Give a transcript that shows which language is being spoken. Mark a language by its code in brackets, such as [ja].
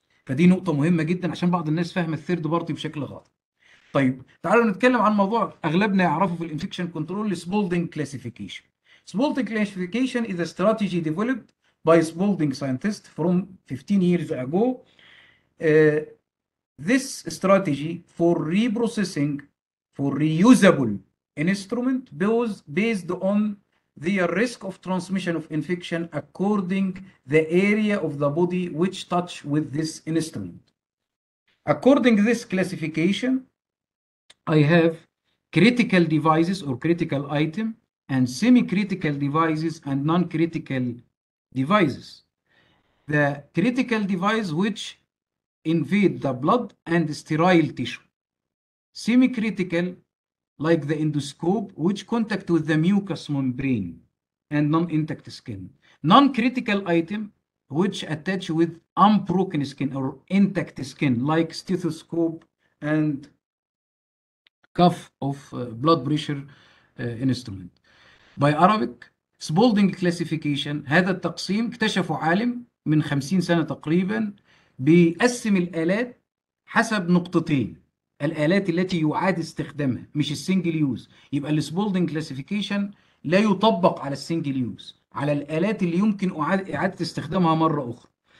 [ar] فدي نقطه مهمه جدا عشان بعض الناس فاهم الثيرد بارتي بشكل غلط. طيب تعالوا نتكلم عن موضوع اغلبنا يعرفه في الانفكشن كنترول، سبولدينج كلاسيفيكيشن. [en] Spaulding classification is a strategy developed by Spaulding scientist from 15 years ago. This strategy for reprocessing for reusable instrument based on the risk of transmission of infection according the area of the body which touch with this instrument. According this classification, I have critical devices or critical item and semi-critical devices and non-critical devices. The critical device which invade the blood and sterile tissue. Semi-critical, like the endoscope, which contact with the mucous membrane and non-intact skin. Non-critical item, which attach with unbroken skin or intact skin, like stethoscope and cuff of blood pressure instrument. By Arabic, [ar] سبولدينج كلاسيفيكيشن، هذا التقسيم اكتشفه عالم من 50 سنة تقريبا، بيقسم الآلات حسب نقطتين، الآلات التي يعاد استخدامها مش السنجل يوز. يبقى السبولدينج كلاسيفيكيشن لا يطبق على السنجل يوز، على الآلات اللي يمكن إعادة استخدامها مرة أخرى.